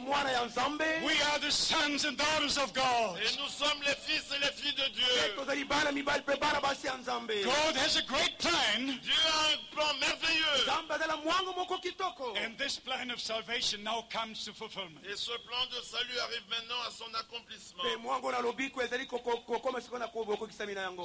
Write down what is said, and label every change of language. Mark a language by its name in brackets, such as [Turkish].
[English] We are the sons and daughters of God. [French] Et nous sommes les fils et les filles de Dieu. [English] God has a great plan. [French] Dieu a un plan merveilleux. [English] And this plan of salvation now comes to fulfillment. [French] Et ce plan de salut arrive maintenant à son accomplissement.